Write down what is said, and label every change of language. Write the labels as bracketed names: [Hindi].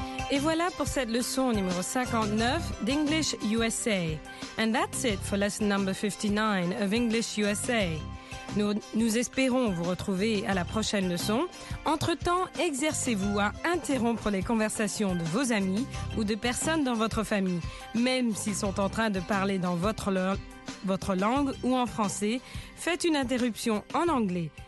[French] Et voilà pour cette leçon numéro 59 d'English USA. [English] And that's it for lesson number 59 of English USA. [French] Nous espérons vous retrouver à la prochaine leçon. Entre-temps, exercez-vous à interrompre les conversations de vos amis ou de personnes dans votre famille, même s'ils sont en train de parler dans votre langue ou en français. Faites une interruption en anglais.